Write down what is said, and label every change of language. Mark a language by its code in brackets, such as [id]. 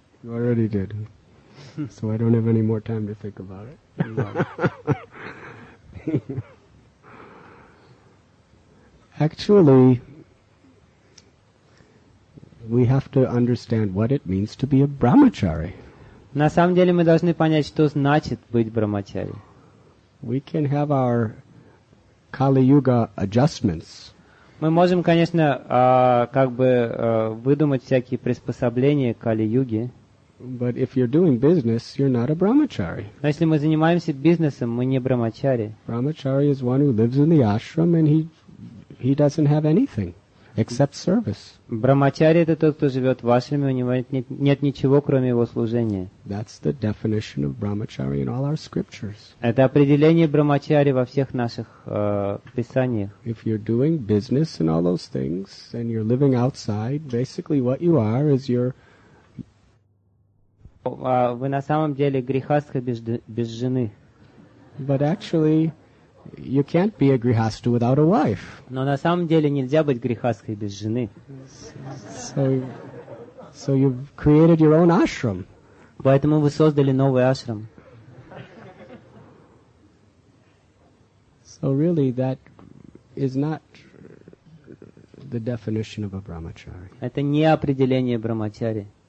[en] You already did. So I don't have any more time to think about it. Actually, we have to understand what it means to be a brahmachari. [ru] На самом деле мы должны понять, что значит быть брахмачари. [en] We can have our Kali Yuga adjustments. [ru] Мы можем, конечно, как бы выдумать всякие приспособления к Кали-Юге. [en] But if you're doing business, you're not a brahmachari. [ru] Но если мы занимаемся бизнесом, мы не брахмачари. [en] Brahmachari is one who lives in the ashram and he doesn't have anything except service. [ru] Брахмачари это тот, кто живет в ашраме, у него нет ничего, кроме его служения. [en] That's the definition of brahmachari in all our scriptures. [ru] Это определение брахмачари во всех наших писаниях. [en] If you're doing business and all those things and you're living outside, basically what you are is you're [ru] вы на самом деле грихастха без жены. [en] But actually, you can't be a grihastha without a wife. [ru] Но на самом деле нельзя быть грихастхой без жены. [en] So you've created your own ashram. [ru] Поэтому вы создали новый ашрам. [en] So really, that is not the definition of a brahmachari. [ru] Это не определение брахмачари.